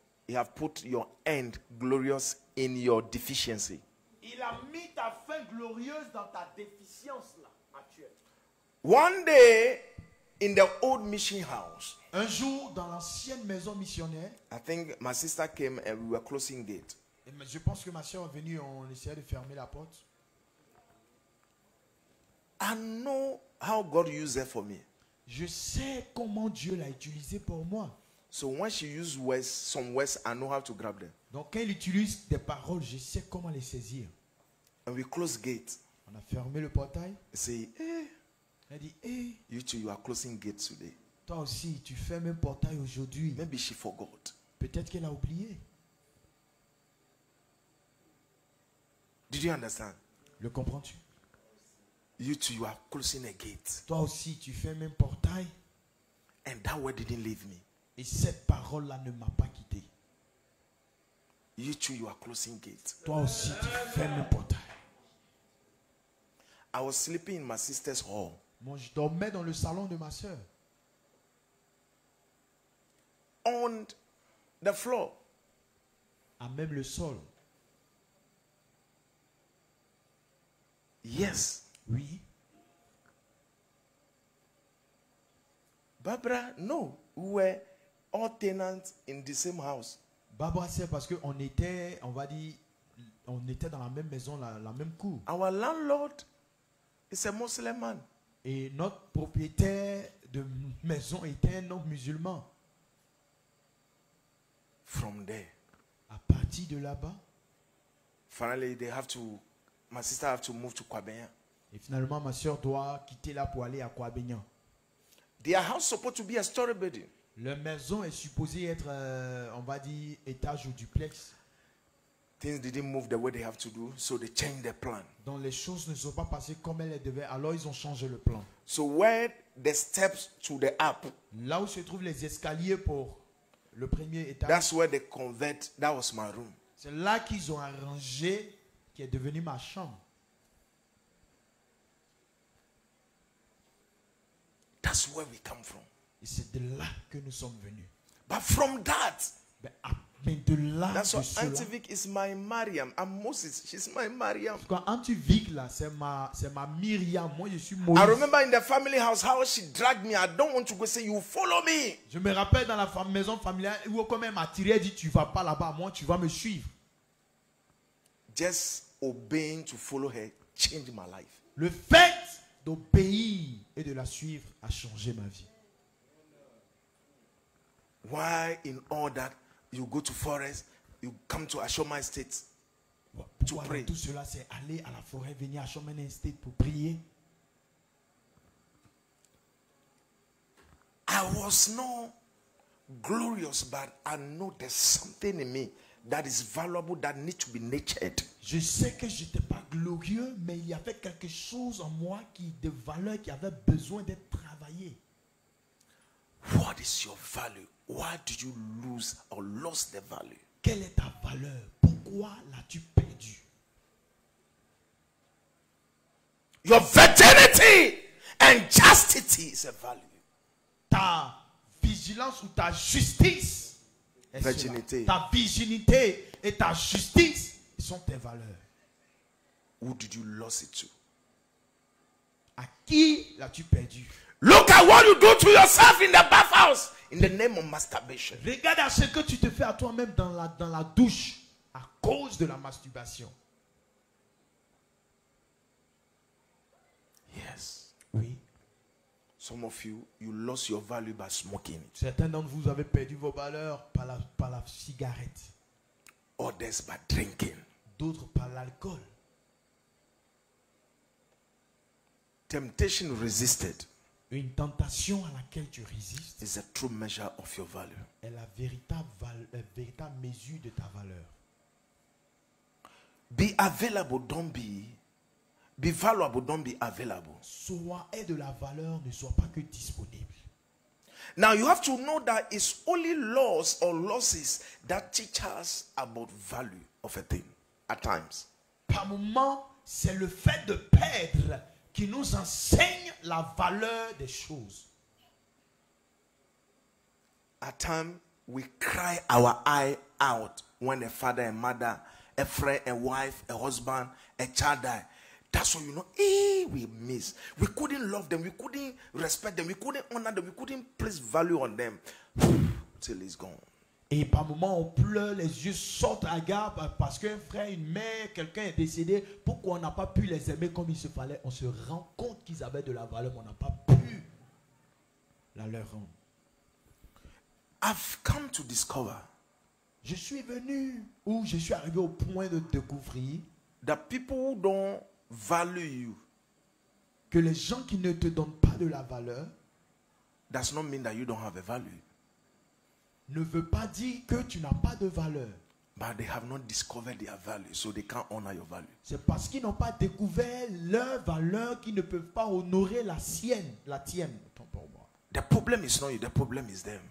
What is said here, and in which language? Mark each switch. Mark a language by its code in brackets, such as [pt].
[en] he have put your end glorious in your deficiency. [fr] Il a mis ta fin glorieuse dans ta déficience là, actuelle. [en] One day in the old mission house, [fr] un jour dans l'ancienne maison missionnaire, [en] I think my sister came and we were closing gate. [fr] Et je pense que ma sœur est venue et on essayait de fermer la porte. [en] I know how God used her for me. [fr] Je sais comment Dieu l'a utilisé pour moi. [en] So when she used words, some words, I know how to grab them. [fr] Donc quand elle utilise des paroles, je sais comment les saisir. [en] And we close gate. [fr] On a fermé le portail. [en] Say, hey. [fr] Elle dit, hey. [en] You too, you are closing gate today. [fr] Toi aussi, tu fermes un portail aujourd'hui. [en] Maybe she forgot. [fr] Peut-être qu'elle a oublié. [en] Did you understand? [fr] Le comprends-tu? [en] You too, you are closing a gate. [fr] Toi aussi, tu fermes un portail. [en] And that word didn't leave me. [fr] Et cette parole-là ne m'a pas quitté. [en] You too, you are closing gate. [fr] Toi aussi, tu fermes un portail. [en] I was sleeping in my sister's hall. [fr] Moi, je dormais dans le salon de ma sœur. [en] On the floor. [fr] À même le sol. [en] Yes. [fr] Oui. [en] Barbara, no, we were all tenants in the same house. [fr] Barbara, c'est parce que on était, on va dire, on était dans la même maison, la même cour. [en] Our landlord is a Muslim man. [fr] Et notre propriétaire de maison était un homme musulman. [en] From there. [fr] À partir de là-bas. [en] Finally, they have to. My sister have to move to Kwabena. [fr] Et finalement, ma soeur doit quitter là pour aller à Kwabena. [en] Their house supposed to be a story building. [fr] Leur maison est supposée être, on va dire, étage ou duplex. [en] Things didn't move the way they have to do, so they changed their plan. [fr] Donc les choses ne sont pas passées comme elles devaient, alors ils ont changé le plan. [en] So where the steps to the up? [fr] Là où se trouvent les escaliers pour le premier étage. [en] That's where they convert. That was my room. [fr] C'est là qu'ils ont arrangé qui est devenu ma chambre. [en] That's where we come from. [fr] Et c'est de là que nous sommes venus. [en] But from that, [fr] mais de là, [en] that's why Antivik is my Mariam. I'm Moses. She's my Mariam. [fr] Quand Antivik là, c'est ma Miriam. Moi, je suis Moïse. [en] I remember in the family house how she dragged me. I don't want to go. Say you follow me. [fr] Je me rappelle dans la maison familiale où comme elle m'a tiré, elle dit tu vas pas là-bas. Moi, tu vas me suivre. [en] Just obeying to follow her changed my life. [fr] Le fait d'obéir et de la suivre a changé ma vie. [en] Why in all that you go to forest, you come to Ashoma Estate to pray? [fr] Tout cela c'est aller à la forêt, venir à Ashoma Estate pour prier. [en] I was not glorious, but I know there's something in me that is valuable that needs to be nurtured. [fr] Je sais que j'étais pas glorieux. glorieux, mais il y avait quelque chose en moi qui de valeur qui avait besoin d'être travaillé. [en] What is your value? Why do you lose or lost the value? [fr] Quelle est ta valeur? Pourquoi l'as-tu perdu? [en] Your virginity and chastity is a value. [fr] Ta vigilance ou ta justice. Virginité. Ta virginité et ta justice sont tes valeurs. [en] Who did you lose it to? [fr] À qui l'as-tu perdu? [en] Look at what you do to yourself in the bathhouse in the name of masturbation. [fr] Regarde à ce que tu te fais à toi-même dans la douche à cause de la masturbation. [en] Yes. [fr] Oui. [en] Some of you lost your value by smoking. [fr] Certains d'entre vous avez perdu vos valeurs par la cigarette. [en] Others by drinking. [fr] D'autres par l'alcool. [en] Temptation resisted. [fr] Une tentation à laquelle tu résistes [en] is a true measure of your value. [fr] Est la véritable mesure de ta valeur. [en] Be available, don't be. Be valuable, don't be available. [fr] Sois et de la valeur, ne sois pas que disponible. [en] Now you have to know that it's only loss or losses that teach us about value of a thing at times. [fr] Par moment, c'est le fait de perdre qui nous enseigne la valeur des choses. [en] At times, we cry our eye out when a father, a mother, a friend, a wife, a husband, a child die. That's what you know. We miss. We couldn't love them. We couldn't respect them. We couldn't honor them. We couldn't place value on them. Till it's gone. [fr] Et par moments, on pleure, les yeux sortent à gare parce qu'un frère, une mère, quelqu'un est décédé. Pourquoi on n'a pas pu les aimer comme il se fallait? On se rend compte qu'ils avaient de la valeur, mais on n'a pas pu la leur rendre. [en] I've come to discover. [fr] Je suis venu ou je suis arrivé au point de découvrir [en] that people who don't value you. [fr] Que les gens qui ne te donnent pas de la valeur [en] does not mean that you don't have a value. [fr] Ne veut pas dire que tu n'as pas de valeur. [en] But they have not discovered their value, so they can't honor your value. [fr] C'est parce qu'ils n'ont pas découvert leur valeur qu'ils ne peuvent pas honorer la sienne, la tienne. [en] The problem is not you, the problem is them.